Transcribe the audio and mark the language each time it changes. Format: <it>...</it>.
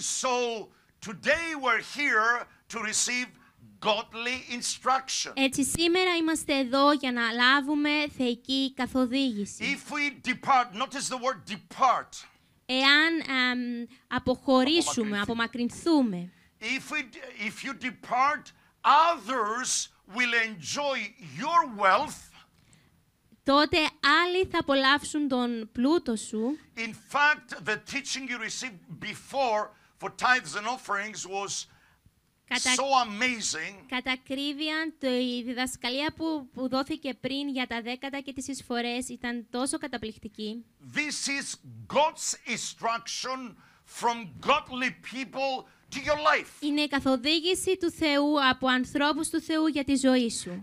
<en>So today we're here to receive godly instruction.</en> <el>Έτσι σήμερα είμαστε εδώ για να λάβουμε θεϊκή καθοδήγηση.</el> <en>If we depart, notice the word depart.</en> <el>Εάν αποχωρήσουμε, απομακρυνθούμε.</el> <en>If you depart, others will enjoy your wealth.</en> <el>Τότε άλλοι θα απολαύσουν τον πλούτο σου.</el> <en>In fact, the teaching you received before for tithes and offerings was so amazing.</en> <el>Κατά κρίβεια, η διδασκαλία που δόθηκε πριν για τα δέκατα και τις εισφορές ήταν τόσο καταπληκτική.</el> <en>This is God's instruction from godly people to your life.</en> <el>Είναι η καθοδήγηση του Θεού από ανθρώπους του Θεού για τη ζωή σου.</el>